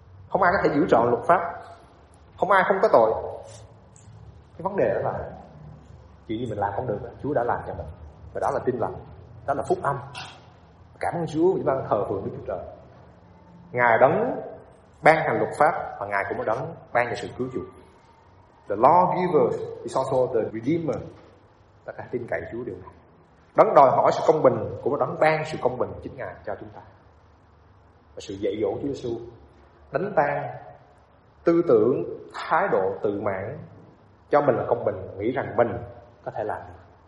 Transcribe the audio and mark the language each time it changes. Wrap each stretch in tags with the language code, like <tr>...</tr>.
<vi>Không ai có thể giữ trọn luật pháp, không ai không có tội. Cái vấn đề đó là chuyện gì mình làm không được, Chúa đã làm cho mình. Và đó là tin lành, đó là phúc âm. Cảm ơn Chúa vì đang thờ phượng Đức Chúa Trời. Ngài đấng ban hành luật pháp và Ngài cũng đấng ban hành sự cứu chuộc.</vi> <en>The lawgiver is also the redeemer.</en> <vi>Ta phải tin cậy Chúa điều này. Đấng đòi hỏi sự công bình cũng đấng ban sự công bình chính Ngài cho chúng ta. Và sự dạy dỗ Chúa Giêsu đánh tan tư tưởng thái độ tự mãn cho mình là công bình, nghĩ rằng mình có thể làm được.</vi>